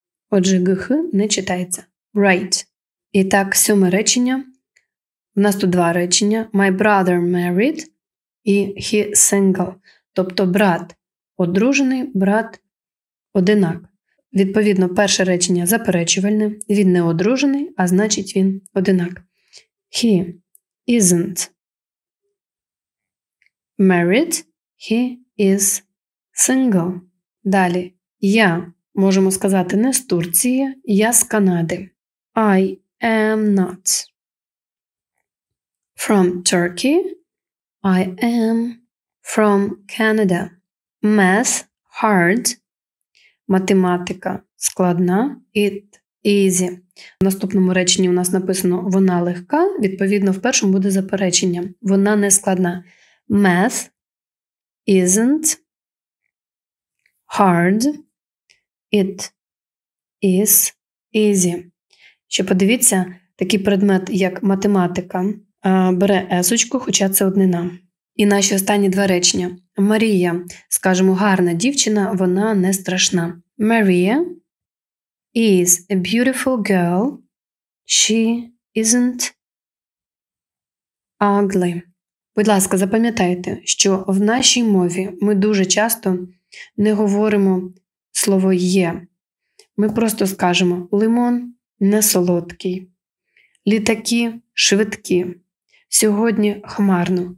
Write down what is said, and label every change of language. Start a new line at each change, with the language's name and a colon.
Ukrainian: Отже, ГХ не читається.
English: Right.
Ukrainian: І так, сьоме речення. У нас тут два речення:
English: my brother married
Ukrainian: і
English: he single,
Ukrainian: тобто брат одружений, брат одинак. Відповідно, перше речення заперечувальне, він не одружений, а значить він одинак.
English: He isn't married, he is single.
Ukrainian: Далі, я, можемо сказати, не з Турції, я з Канади.
English: I am not from Turkey, I am from Canada. Math, hard.
Ukrainian: Математика складна,
English: it easy.
Ukrainian: В наступному реченні у нас написано «вона легка», відповідно, в першому буде заперечення. Вона не складна.
English: Math isn't hard, it is easy.
Ukrainian: Ще подивіться, такий предмет, як математика, бере есочку, хоча це однина. І наші останні два речення. Марія, скажімо, гарна дівчина, вона не страшна.
English: Maria is a beautiful girl. She isn't ugly.
Ukrainian: Будь ласка, запам'ятайте, що в нашій мові ми дуже часто не говоримо слово «є». Ми просто скажемо «лимон не солодкий», «літаки швидкі», «сьогодні хмарно».